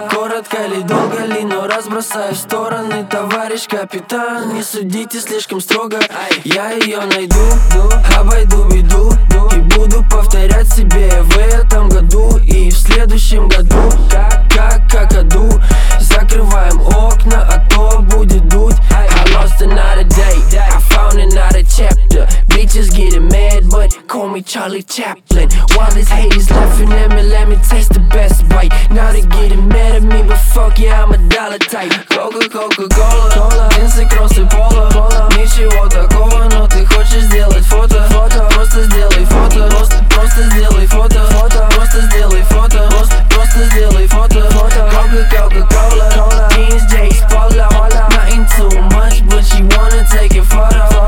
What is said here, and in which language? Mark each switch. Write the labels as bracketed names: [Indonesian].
[Russian] Коротко ли, долго ли, но разбросаю в стороны. Товарищ капитан, не судите слишком строго. Я ее найду, обойду беду, и буду повторять себе в этом году и в следующем году. Как аду, закрываем окна, а то будет дуть. [English] I lost another day, I found another chapter. Bitches getting mad, but call me Charlie Chaplin. While this hate is laughing at me, let me taste the best bite. Now they getting mad at me, but fuck yeah, I'm a dollar type. Coca-Cola, Vince Cross и Polo. [Russian] Ничего такого, но ты хочешь сделать фото. Просто сделай фото, просто сделай фото. Просто сделай фото, просто сделай фото. [English] Coca-Cola, Vince Jace Polo. Nothing too much, but she wanna take a photo.